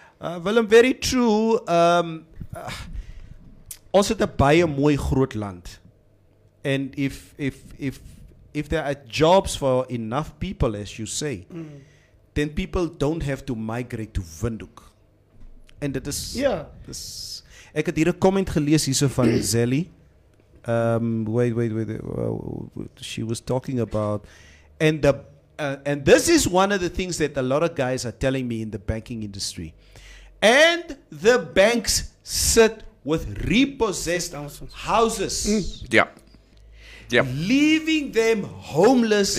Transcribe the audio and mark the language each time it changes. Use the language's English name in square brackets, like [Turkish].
[English] Willem, very true. Also the [Afrikaans] baie mooi groot [English] land. And if there are jobs for enough people, as you say, then people don't have to migrate to Windhoek. And that is... Yeah. This. [Afrikaans] Ek het hier 'n comment gelees hierso van Zelly. [English] Wait. She was talking about... And this is one of the things that a lot of guys are telling me in the banking industry. And the banks sit with repossessed houses. Mm. Yeah. Yep. Leaving them homeless.